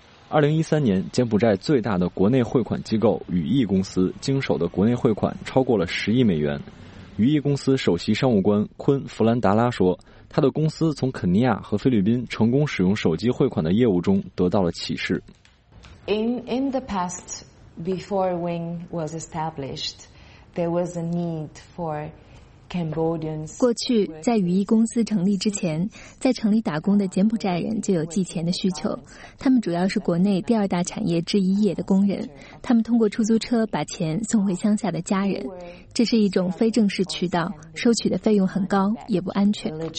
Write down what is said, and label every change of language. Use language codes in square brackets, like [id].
[zh] 2013年，柬埔寨最大的国内汇款机构羽翼公司经手的国内汇款超过了10亿美元。羽翼公司首席商务官昆弗兰达拉说，他的公司从肯尼亚和菲律宾成功使用手机汇款的业务中得到了启示。 [en] In the past, before Wing was established, there was a need for Cambodians. [zh] 过去，在羽翼公司成立之前，在城里打工的柬埔寨人就有寄钱的需求。他们主要是国内第二大产业制衣业的工人，他们通过出租车把钱送回乡下的家人。这是一种非正式渠道，收取的费用很高，也不安全。